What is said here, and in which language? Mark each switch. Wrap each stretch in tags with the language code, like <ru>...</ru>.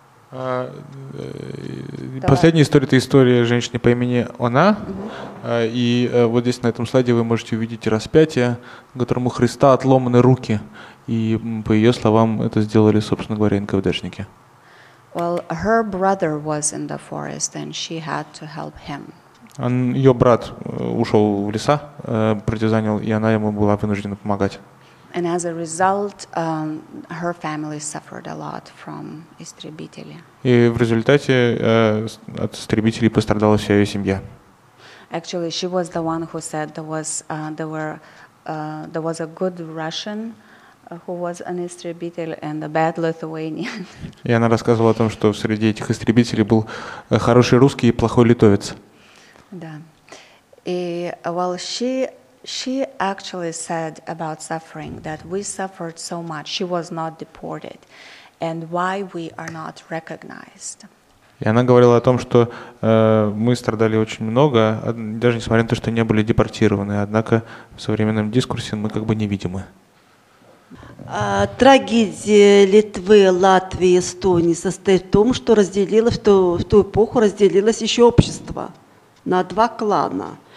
<ru>Последняя история – это история женщины по имени Она. И вот здесь на этом слайде вы можете увидеть распятие, в котором у Христа отломаны руки. И по ее словам, это сделали, собственно говоря, НКВДшники.</ru> <en>Well, her brother was in the forest, and she had to help him.</en> <ru>Ее брат ушел в леса, партизанил, и она ему была вынуждена помогать.</ru> <en>And as a result, her family suffered a lot from истребителей.</en> <ru>И в результате от истребителей пострадала вся ее семья.</ru> <en>Actually, she was the one who said there were there was a good Russian who was an истребитель and a bad Lithuanian.</en> <ru>И она рассказывала о том, что среди этих истребителей был хороший русский и плохой литовец. Да.</ru> <en>И, well, she actually said about suffering that we suffered so much. She was not deported, and why we are not recognized.</en> <ru>И она говорила о том, что мы страдали очень много, даже несмотря на то, что не были депортированы. Однако в современном дискурсе мы как бы невидимы. Трагедия Литвы, Латвии, Эстонии состоит в том, что разделило, в ту эпоху разделилось еще общество на два клана.</ru>